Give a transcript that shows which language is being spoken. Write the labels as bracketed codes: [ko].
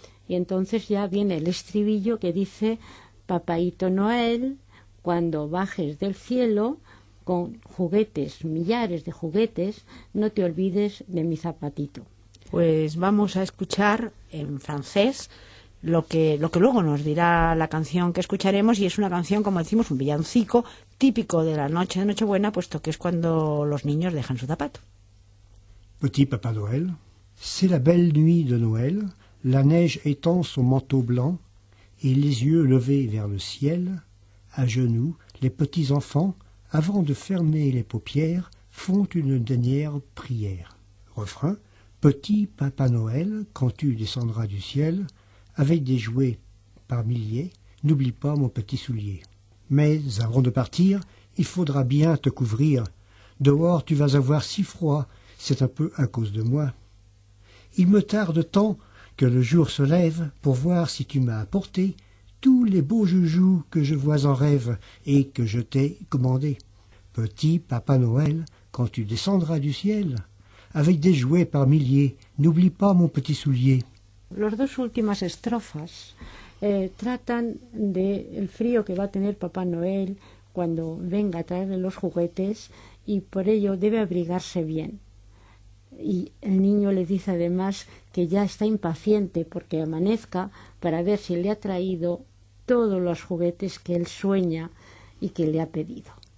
[es] Y entonces ya viene el estribillo que dice, Papaito Noel, cuando bajes del cielo, con juguetes, millares de juguetes, no te olvides de mi zapatito. Pues vamos a escuchar en francés lo que luego nos dirá la canción que escucharemos, y es una canción, como decimos, un villancico típico de la noche de Nochebuena, puesto que es cuando los niños dejan su zapato. [fr] Petit Papa Noël, c'est la belle nuit de Noël, la neige étend son manteau blanc, et les yeux levés vers le ciel, à genoux, les petits enfants, avant de fermer les paupières, font une dernière prière. Refrain. Petit Papa Noël, quand tu descendras du ciel, avec des jouets par milliers, n'oublie pas mon petit soulier. Mais avant de partir, il faudra bien te couvrir. Dehors, tu vas avoir si froid, c'est un peu à cause de moi. Il me tarde tant que le jour se lève pour voir si tu m'as apporté tous les beaux joujoux que je vois en rêve et que je t'ai commandés. Petit Papa Noël, quand tu descendras du ciel, avec des jouets par milliers, n'oublie pas mon petit soulier. [es] Las dos últimas estrofas tratan de el frío que va a tener Papá Noel cuando venga a traerle los juguetes y por ello debe abrigarse bien. Y el niño le dice además que ya está impaciente porque amanezca para ver si le ha traído todos los juguetes que él sueña y que le ha pedido.